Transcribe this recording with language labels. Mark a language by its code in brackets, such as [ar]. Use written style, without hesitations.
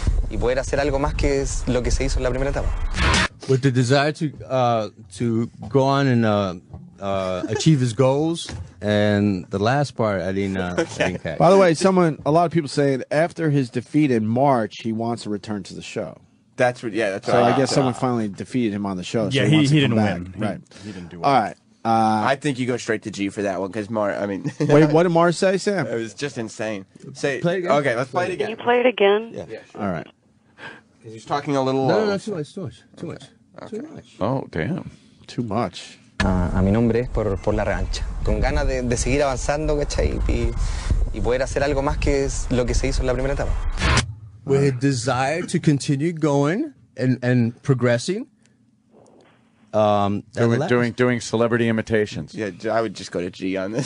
[es] Y poder hacer algo más que es lo que se hizo en la primera etapa. [en] With the desire to go on and achieve his goals. And the last part, I didn't catch. By the way, a lot of people saying after his defeat in March, he wants to return to the show. That's what, yeah. That's so right. I guess someone finally defeated him on the show. Yeah, so he didn't back. Win. Right. He didn't do well. All right. I think you go straight to G for that one because Mars, I mean. Wait, what did Mars say, Sam? It was just insane. Say, play it again. Okay, let's play it again. Can you play it again? Yeah. All right. Because he's talking a little. No, too much. Too much. Oh, damn. Too much. [es] A mi nombre es por la rancha. Con ganas de seguir avanzando, ¿cachai? Y poder hacer algo más que es lo que se hizo en la primera etapa. [en] With a desire to continue going and progressing. Doing celebrity imitations. Yeah, I would just go to G on this.